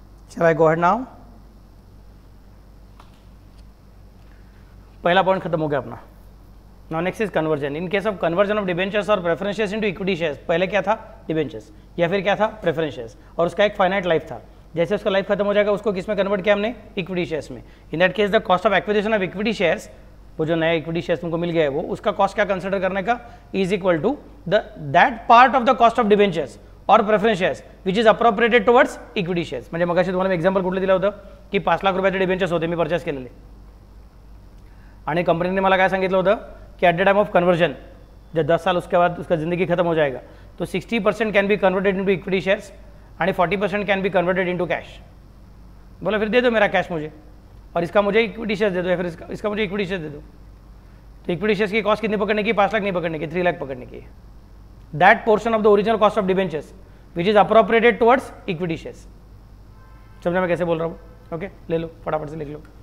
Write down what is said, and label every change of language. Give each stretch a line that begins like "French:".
English: Shall I go ahead now?
Hindi: पहला point खत्म हो गया अपना.
English: Now next is conversion. In case of conversion of debentures or preferences into equity shares,
Hindi: पहले क्या था? Debentures. या फिर क्या था? Preferences. और उसका एक finite life था. जैसे उसका life खत्म हो जाएगा, उसको किस में convert किया हमने? Equity shares में.
English: In that case, the cost of acquisition of equity shares,
Hindi: वो जो नया equity shares तुमको मिल गया है वो, उसका cost क्या consider करने का?
English: Is equal to that part of the cost of debentures और preference shares which is appropriated towards equity shares.
Marathi: म्हणजे मग अशी तुम्हाला एक्झाम्पल कुठलं दिलं होतं की 5 लाख रुपयाचे डिबेंचर्स होते मी परचेस केलेले, आणि कंपनीने मला काय सांगितलं होतं की
English: at the time of conversion,
Hindi: जे 10 साल उसके बाद उसका जिंदगी खत्म हो जाएगा,
Marathi: तो 60%
English: can be converted into equity shares
Marathi: आणि 40%
English: Can be converted into cash.
Hindi: बोला फिर दे दो मेरा कॅश मुझे और इसका मुझे इक्विटी शेअर्स दे दो, या फिर इसका मुझे इक्विटी शेअर्स दे दो. तो इक्विटी शेअर्स की कॉस्ट कितनी पकड़ने की? 5 लाख नहीं पकड़ने की, 3 लाख पकड़ने की.
English: That portion of the original cost of debentures, which is appropriated towards equity shares.
Hindi: समझा मैं कैसे बोल रहा हूँ? Okay, ले लो, फटाफट से लिख लो.